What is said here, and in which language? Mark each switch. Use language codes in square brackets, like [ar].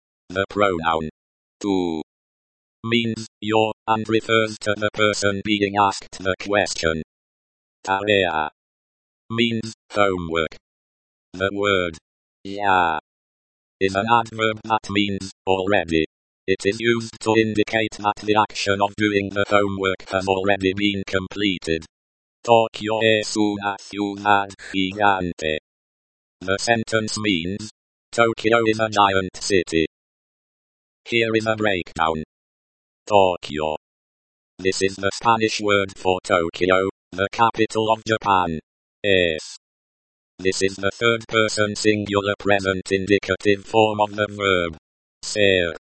[en] The pronoun tu means your, and refers to the person being asked the question. Tarea means homework. The word ya is an adverb that means already. It is used to indicate that the action of doing the homework has already been completed. [es] Tokio es una ciudad gigante. [en] The sentence means Tokyo is a giant city. Here is a breakdown. Tokyo. This is the Spanish word for Tokyo, the capital of Japan. Es. This is the third person singular present indicative form of the verb. Ser.